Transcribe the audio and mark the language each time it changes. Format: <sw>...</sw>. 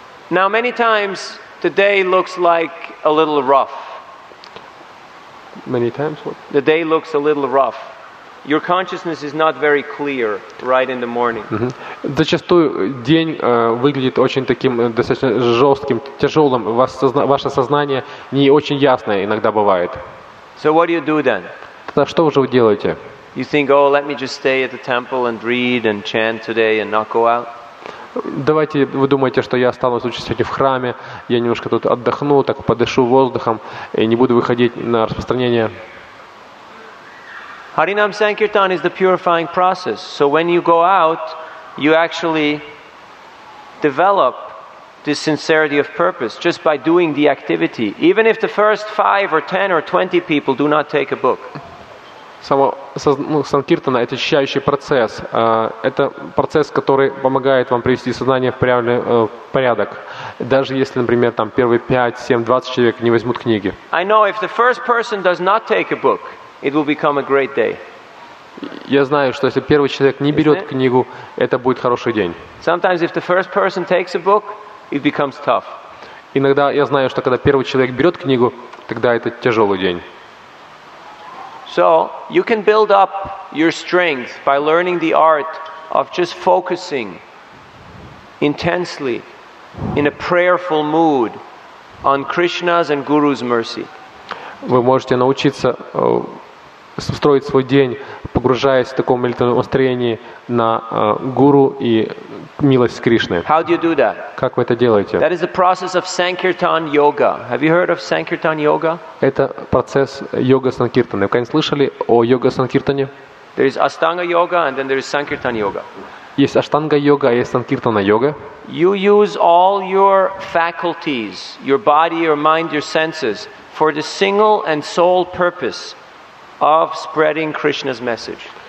<en>Now many times the day looks like a little rough. Many times what? The day looks a little rough. Your consciousness is not very clear right in the morning.</en> <ru>Зачастую день выглядит очень таким достаточно жестким, тяжелым. Ваше сознание не очень ясное иногда бывает.</ru> <en>So what do you do then?</en> <ru>Тогда что уже вы делаете?</ru> <en>You think, oh, let me just stay at the temple and read and chant today and not go out?</en> <ru>Давайте вы думаете, что я останусь сегодня в храме, я немножко тут отдохну, так подышу воздухом и не буду выходить на распространение.</ru> <en>Харинам Санкиртан is the purifying process. So when you go out, you actually develop this sincerity of purpose just by doing the activity. Even if the first 5 or 10 or 20 people do not take a book.</en> <ru>Санкиртана — это очищающий процесс. Это процесс, который помогает вам привести сознание в порядок. Даже если, например, там первые 5, 7, 20 человек не возьмут книги.</ru> <en>I know if the first person does not take a book, it will become a great day.</en> <ru>Я знаю, что если первый человек не берет книгу, это будет хороший день.</ru> <en>Sometimes if the first person takes a book, it becomes tough.</en> <ru>Иногда я знаю, что когда первый человек берет книгу, тогда это тяжелый день.</ru> <en>So you can build up your strength by learning the art of just focusing intensely in a prayerful mood on Krishna's and Guru's mercy.</en> <ru>Вы можете научиться строить свой день, погружаясь в таком молитвенном настроении на гуру и милость Кришны.</ru> <en>How do you do that?</en> <ru>Как вы это делаете?</ru> <en>That is the process of Sankirtan Yoga. Have you heard of Sankirtan Yoga?</en> <ru>Это процесс йога Санкиртаны. Вы когда-нибудь слышали о йога Санкиртане?</ru> <en>There is Ashtanga Yoga and then there is Sankirtan Yoga.</en> <ru>Есть Аштанга Йога, есть Санкиртана Йога.</ru> <en>You use all your faculties, your body, your mind, your senses for the single and sole purpose of spreading Krishna's message.</en>